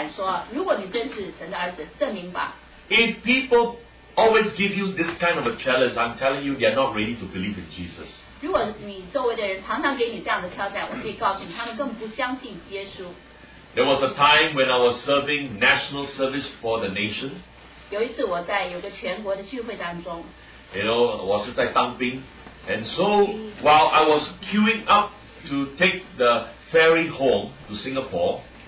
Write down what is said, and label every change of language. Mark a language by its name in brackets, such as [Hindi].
[Chinese] 人向耶稣挑战说，如果你真是神的儿子，证明吧。 [English] If people always give you this kind of a challenge, I'm telling you, they are not ready to believe in Jesus. [Chinese] 如果你周围的人常常给你这样的挑战，我可以告诉你，他们根本不相信耶稣。 [English] There was a time when I was serving national service for the nation. You know, I was in Tangping. And so, while I was queuing up to take the ferry home to Singapore.